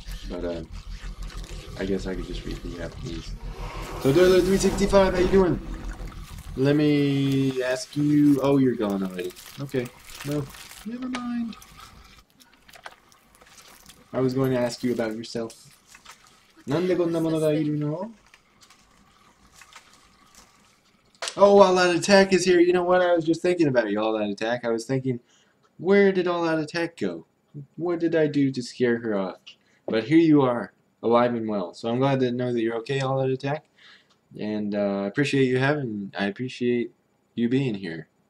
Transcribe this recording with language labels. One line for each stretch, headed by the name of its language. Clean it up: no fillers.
English: But I guess I could just read the Japanese. So Dirler365, how you doing? Let me ask you. Oh, you're gone already. Okay. No. Never mind. I was going to ask you about yourself.
Japanese: なんでこんなものがいるの?
English: Oh, All That Attack is here. You know what? I was just thinking about you, All That Attack. I was thinking, where did All That Attack go? What did I do to scare her off? But here you are, alive and well. So I'm glad to know that you're okay, All That Attack. And I appreciate you being here.